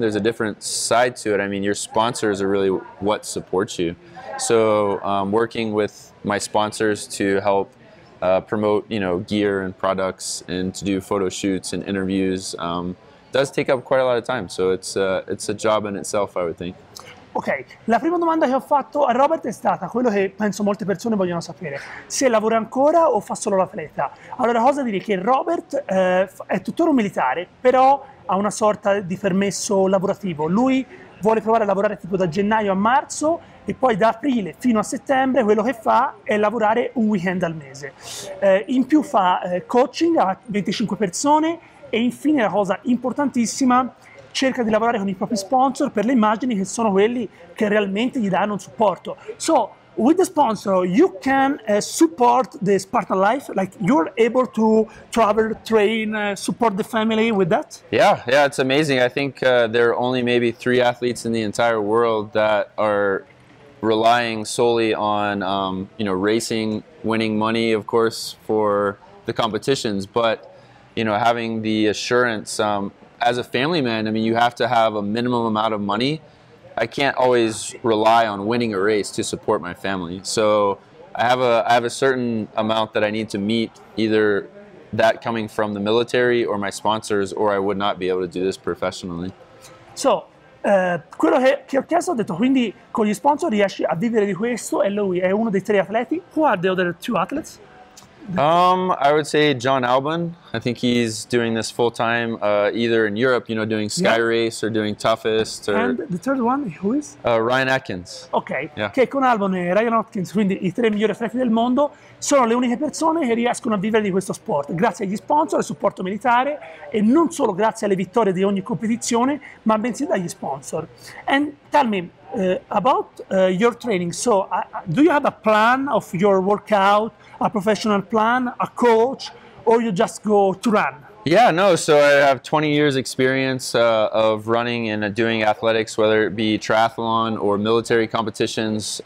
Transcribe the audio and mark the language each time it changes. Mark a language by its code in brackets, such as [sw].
[en] There's a different side to it. I mean, your sponsors are really what supports you. So working with my sponsors to help promote, gear and products and to do photo shoots and interviews does take up quite a lot of time. So it's a job in itself, I would think. [it] Ok, la prima domanda che ho fatto a Robert è stata quello che penso molte persone vogliono sapere, se lavora ancora o fa solo l'atleta. Allora, cosa dire che Robert è tuttora un militare, però ha una sorta di permesso lavorativo. Lui vuole provare a lavorare tipo da gennaio a marzo e poi da aprile fino a settembre quello che fa è lavorare un weekend al mese. In più fa coaching a 25 persone e infine la cosa importantissima, cerca di lavorare con i propri sponsor per le immagini che sono quelli che realmente gli danno un supporto. [en] So, with the sponsor, you can support the Spartan life? Like, you're able to travel, train, support the family with that? Yeah, it's amazing. I think there are only maybe 3 athletes in the entire world that are relying solely on, racing, winning money, of course, for the competitions. But, having the assurance, as a family man, I mean, you have to have a minimum amount of money. I can't always rely on winning a race to support my family. So I have a certain amount that I need to meet, either that coming from the military or my sponsors, or I would not be able to do this professionally. [it] So, quello che ho chiesto, ho detto, quindi con gli sponsor riesci a vivere di questo, e lui è uno dei 3 atleti. [en] Who are the other 2 athletes? I would say John Albon. I think he's doing this full time, either in Europe, doing Sky Race or doing Toughest. Or, and the third one, who is? Ryan Atkins. Okay. Yeah. [it] Che con Albon e Ryan Atkins, quindi i 3 migliori atleti del mondo, sono le uniche persone che riescono a vivere di questo sport, grazie agli sponsor, al supporto militare, e non solo grazie alle vittorie di ogni competizione, ma bensì dagli sponsor. [en] And tell me about your training. So, do you have a plan of your workout? A professional plan, a coach, or you just go to run? Yeah, no, so I have 20 years experience of running and doing athletics, whether it be triathlon or military competitions.